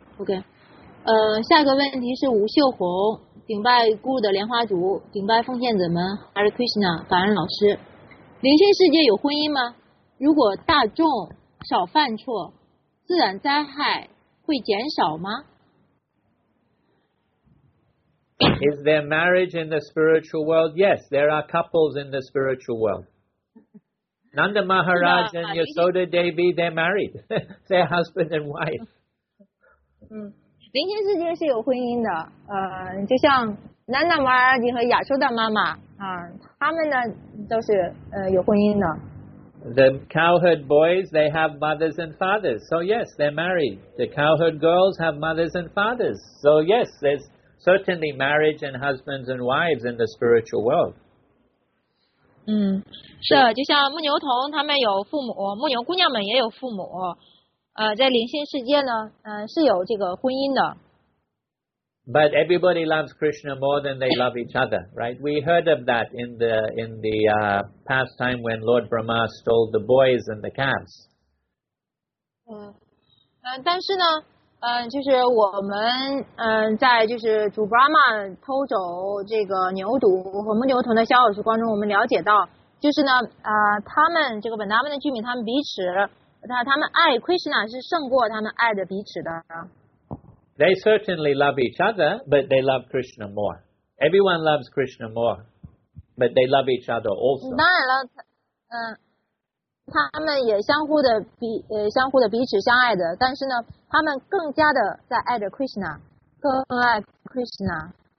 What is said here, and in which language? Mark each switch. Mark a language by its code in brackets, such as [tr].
[zh] Okay. 下个问题是吴秀红，顶拜孤的莲花主，顶拜奉献者们 ，Hare Krishna， 感恩老师。灵性世界有婚姻吗？如果大众少犯错，自然灾害会减少吗 [en] ？Is there marriage in the spiritual world? Yes, there are couples in the spiritual world. Nanda Maharaj and Yasoda Devi, they're married. They're husband and wife. [zh] 灵性世界是有婚姻的，就像南达玛尔吉和亚修达妈妈啊，他们呢都是有婚姻的。 [en] The cowherd boys, they have mothers and fathers, so yes, they're married. The cowherd girls have mothers and fathers, so yes, there's certainly marriage and husbands and wives in the spiritual world. [zh] 是，就像牧牛童他们有父母，牧牛姑娘们也有父母。在灵性世界呢，是有这个婚姻的。 [en] But everybody loves Krishna more than they love each other, right? We heard of that in the past time when Lord Brahma stole the boys and the calves. [zh] 但是呢，就是我们，在就是主 Brahma 偷走这个牛犊和牧牛童的小耳朵当中，我们了解到，就是呢，他们这个本达门的居民，他们彼此。他们爱 Krishna 是胜过他们爱的彼此的。 [en] They certainly love each other, but they love Krishna more. Everyone loves Krishna more, but they love each other also. [zh] 当然了，他们也相互的彼此相爱的，但是呢，他们更加的在爱着 Krishna， 更爱 Krishna。